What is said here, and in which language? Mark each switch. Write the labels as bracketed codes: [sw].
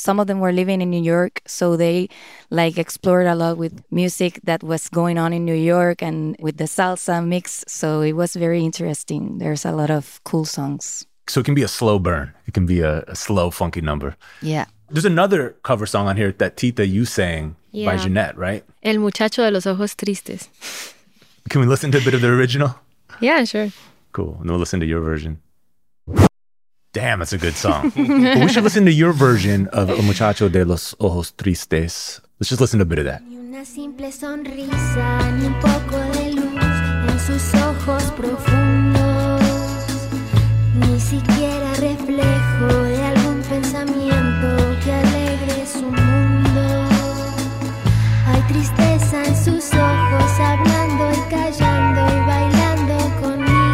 [en] Some of them were living in New York, so they like explored a lot with music that was going on in New York and with the salsa mix. So it was very interesting. There's a lot of cool songs. So it can be a slow burn. It can be a slow funky number. Yeah. There's another cover song on here that Tita, you sang by Jeanette, right? [es] El Muchacho de los Ojos Tristes. [en] Can we listen to a bit of the original? Yeah, sure. Cool. And we'll listen to your version. Damn, that's a good song. But we should listen to your version of El Muchacho de los Ojos Tristes. Let's just listen to a bit of that. [es] Ni una simple sonrisa, ni un poco de luz en sus ojos profundos. Ni siquiera reflejo de algún pensamiento que alegre su mundo. Hay tristeza en sus ojos hablando y callando y bailando conmigo.